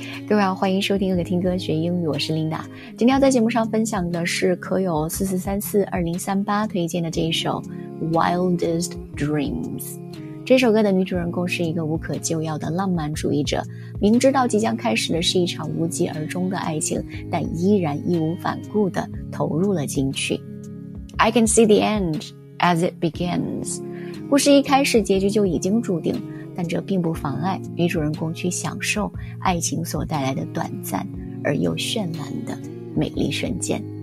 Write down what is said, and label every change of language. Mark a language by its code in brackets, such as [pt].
[zh] 各位好，欢迎收听《听歌学英语》，我是 Linda。今天要在节目上分享的是可有4434-2038推荐的这一首《Wildest Dreams》。这首歌的女主人公是一个无可救药的浪漫主义者，明知道即将开始的是一场无疾而终的爱情，但依然义无反顾地投入了进去。 [en] I can see the end as it begins. [zh] 故事一开始，结局就已经注定，但这并不妨碍女主人公去享受爱情所带来的短暂而又绚烂的美丽瞬间。